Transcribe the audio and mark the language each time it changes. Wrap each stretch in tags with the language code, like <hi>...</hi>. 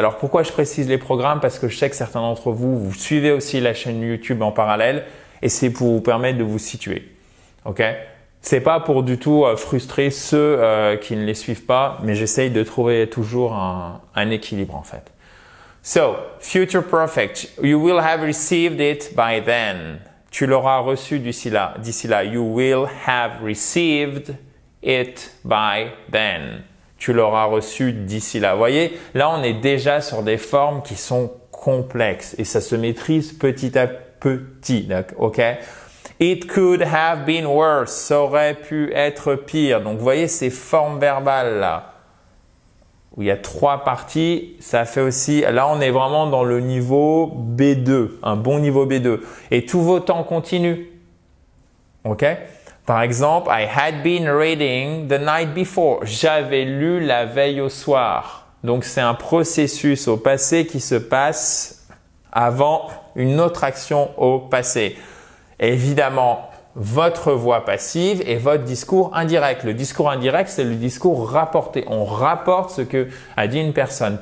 <fr>Alors, pourquoi je précise les programmes? Parce que je sais que certains d'entre vous, vous suivez aussi la chaîne YouTube en parallèle et c'est pour vous permettre de vous situer. Ok? C'est pas pour du tout frustrer ceux qui ne les suivent pas, mais j'essaye de trouver toujours un équilibre en fait.</fr> <en>So, future perfect, you will have received it by then.</en> <fr>Tu l'auras reçu d'ici là.</fr> <en>You will have received it by then.</en> <fr>Tu l'auras reçu d'ici là. Vous voyez, là, on est déjà sur des formes qui sont complexes et ça se maîtrise petit à petit.</fr> <en>Ok? It could have been worse.</en> <fr>Ça aurait pu être pire. Donc, vous voyez ces formes verbales là. Où il y a trois parties, ça fait aussi... Là, on est vraiment dans le niveau B2, un bon niveau B2. Et tous vos temps continuent. OK? Par exemple,</fr> <en>I had been reading the night before.</en> <fr>J'avais lu la veille au soir. Donc, c'est un processus au passé qui se passe avant une autre action au passé. Évidemment, votre voix passive et votre discours indirect. Le discours indirect, c'est le discours rapporté. On rapporte ce que a dit une personne.</fr>